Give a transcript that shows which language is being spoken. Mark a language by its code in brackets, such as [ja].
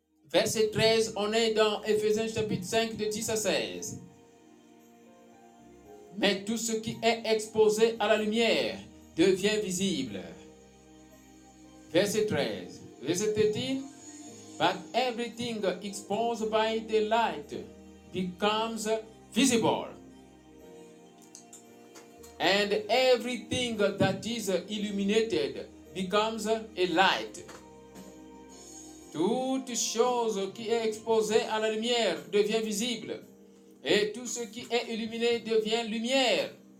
[fr] Verset 13, on est dans Éphésiens chapitre 5, de 10 à 16. Mais tout ce qui est exposé à la lumière devient visible. Verset 13. [en] But everything exposed by the light becomes visible. And everything that is illuminated becomes a light. [fr] Toute chose qui est exposée à la lumière devient visible. Et tout ce qui est illuminé devient lumière.